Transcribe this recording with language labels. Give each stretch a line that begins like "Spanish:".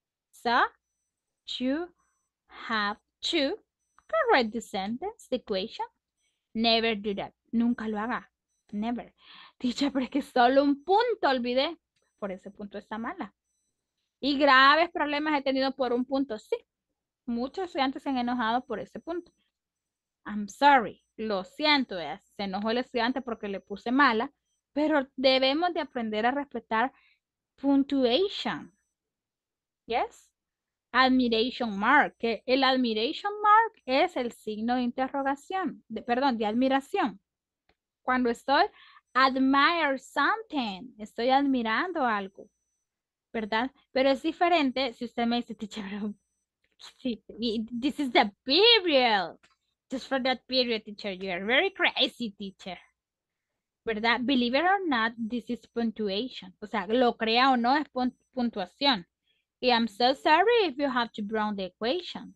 English: So, you have to correct the sentence, the equation. Never do that,
Spanish: nunca lo haga,
English: never.
Spanish: Dicho, pero es que solo un punto olvidé, por ese punto está mala. Y graves problemas he tenido por un punto, sí, muchos estudiantes se han enojado por ese punto.
English: I'm sorry,
Spanish: lo siento, se enojó el estudiante porque le puse mala, pero debemos de aprender a respetar puntuation. ¿Yes? Admiration mark, que el admiration mark es el signo de interrogación, de, perdón, de admiración. Cuando estoy
English: admire something,
Spanish: estoy admirando algo, ¿verdad? Pero es diferente si usted me dice, teacher, sí,
English: this is the period. Just for that period, teacher. You are very crazy, teacher. ¿Verdad? Believe it or not, this is punctuation.
Spanish: O sea, lo crea o no, es puntuación.
English: Y I'm so sorry if you have to bring the equation.